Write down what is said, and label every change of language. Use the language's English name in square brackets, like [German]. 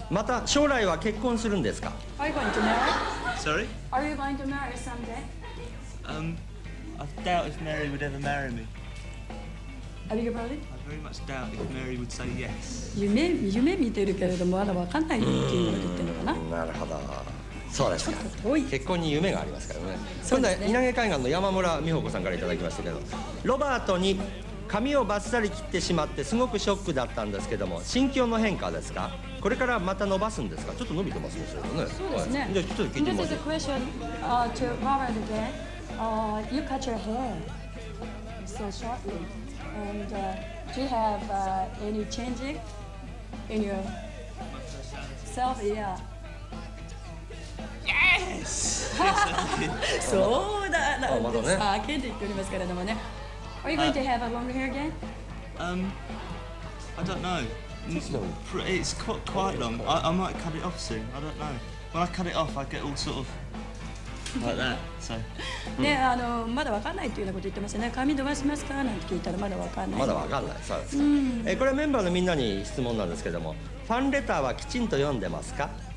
[Japanese] また将来は結婚するんですか？ [English] Are you going to marry? Sorry? Are you going to marry someday? I doubt if Mary would ever marry me. Are you ready? I very much doubt if Mary would say yes. [Japanese] 夢見てるけれども、まだ分かんないっていうのを言ってるのかな。なるほど。そうですか。結婚に夢がありますからね。今度は稲毛海岸の山村美穂子さんからいただきましたけど、ロバートに髪をバッサリ切ってしまってすごくショックだったんですけども、心境の変化ですか？これからまた伸ばすんですか？ちょっと伸びてますね。そうですね、はい、じゃあちょっと聞いてみます。 [English] This is a question to Robert again. You cut your hair so shortly, and do you have any changing in your self? Yes! [Japanese] そうだなんです。まだね、あ、ケンジ言っておりますからでもね。 [English] Are you going to have a longer hair again? I don't know. It's quite long. I might cut it off soon. I don't know. When I cut it off, I get all sort of like that. So. [Japanese] ね、まだわかんないっていうようなこと言ってましたね。髪伸ばしますかなんて聞いたらまだわかんない。まだわかんない。そうです。これはメンバーのみんなに質問なんですけども、ファンレターはきちんと読んでますか？